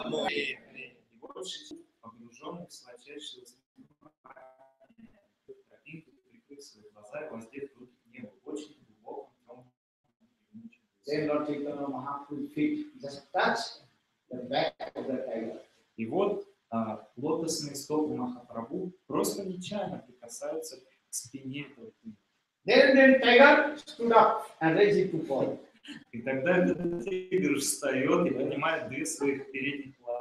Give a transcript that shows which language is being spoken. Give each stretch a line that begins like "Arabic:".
Russian: И больше погруженный в сладчайшее воспоминание, тропинку прикрыв свои глаза и воздев руки к небу, очень глубоком, темном и мучительном. И вот лотосные стопы Махапрабху просто нечаянно прикасаются к спине этого тигра.
English: Then tiger stood up and ready to fall.
Russian: И тогда этот тигр встает и поднимает две своих передних